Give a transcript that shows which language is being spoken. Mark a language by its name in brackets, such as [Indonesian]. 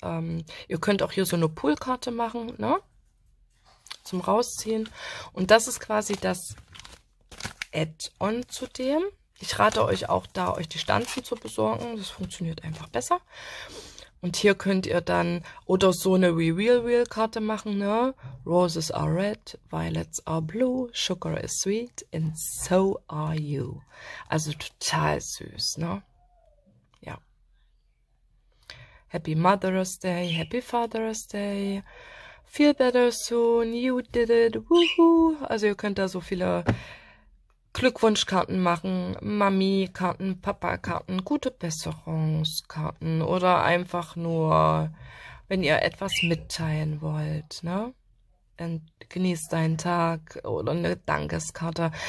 [German] Ihr könnt auch hier so eine Poolkarte machen, ne? Zum Rausziehen. Und das ist quasi das Add-on zu dem. Ich rate euch auch da, euch die Stanzen zu besorgen. Das funktioniert einfach besser. Und hier könnt ihr dann oder so eine Reveal-Reel-Karte machen, ne? [English] Roses are red, violets are blue, sugar is sweet, and so are you. [German] Also total süß, ne? [English] Happy Mother's Day, Happy Father's Day, feel better soon, you did it, woohoo. [German] Also ihr könnt da so viele Glückwunschkarten machen, Mami-Karten, Papa-Karten, gute Besserungskarten oder einfach nur, wenn ihr etwas mitteilen wollt, ne? Dann genießt deinen Tag oder eine Dankeskarte.